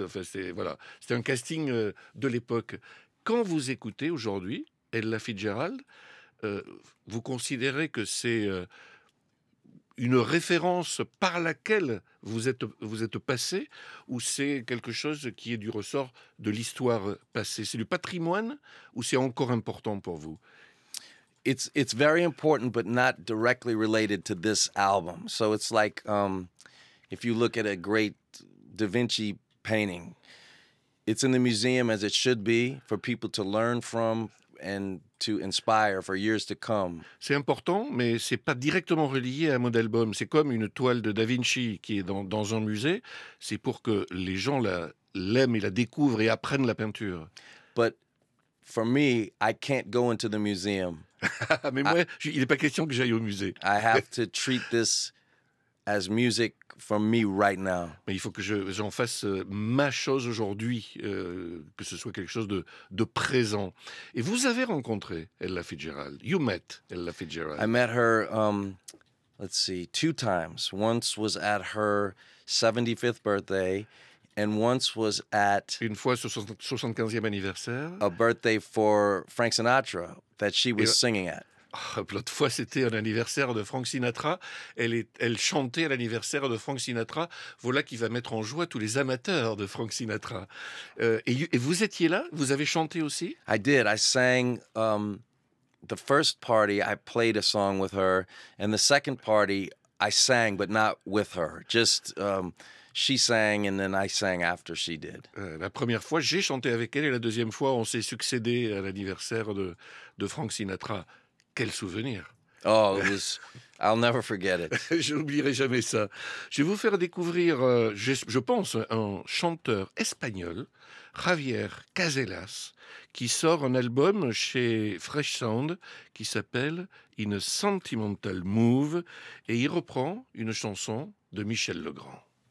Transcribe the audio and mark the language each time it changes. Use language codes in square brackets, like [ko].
[fr] Enfin, c'était un casting de l'époque. Quand vous écoutez aujourd'hui Ella Fitzgerald, vous considérez que c'est une référence par laquelle vous êtes passé, ou c'est quelque chose qui est du ressort de l'histoire passée? C'est du patrimoine, ou c'est encore important pour vous? [en] It's very important, but not directly related to this album. So it's like if you look at a great Da Vinci painting, it's in the museum as it should be for people to learn from and to inspire for years to come. [fr] C'est important, mais c'est pas directement relié à mon album. C'est comme une toile de Da Vinci qui est dans un musée. C'est pour que les gens l'aiment et la découvrent et apprennent la peinture. [en] But for me, I can't go into the museum. [fr] Mais moi, il n'est pas question que j'aille au musée. [en] I have to treat this as music for me right now. [fr] Mais il faut que j'en fasse ma chose aujourd'hui, que ce soit quelque chose de présent. Et vous avez rencontré Ella Fitzgerald. [en] You met Ella Fitzgerald. I met her, let's see, two times. Once was at her 75th birthday, and once was at... [fr] Une fois sur son 75e anniversaire. [en] A birthday for Frank Sinatra that she was singing at. [fr] L'autre fois, c'était un anniversaire de Frank Sinatra. Elle chantait à l'anniversaire de Frank Sinatra. Voilà qui va mettre en joie tous les amateurs de Frank Sinatra. Et vous étiez là? Vous avez chanté aussi? [en] I did. I sang the first party. I played a song with her. And the second party, I sang, but not with her. Just... She sang and then I sang after she did. [fr] La première fois, j'ai chanté avec elle. Et la deuxième fois, on s'est succédé à l'anniversaire de Frank Sinatra. Quel souvenir! [en] Oh, I'll never forget it. [fr] Je n'oublierai jamais ça. Je vais vous faire découvrir, je pense, un chanteur espagnol, Javier Caselas, qui sort un album chez Fresh Sound qui s'appelle In a Sentimental Move, et il reprend une chanson de Michel Legrand.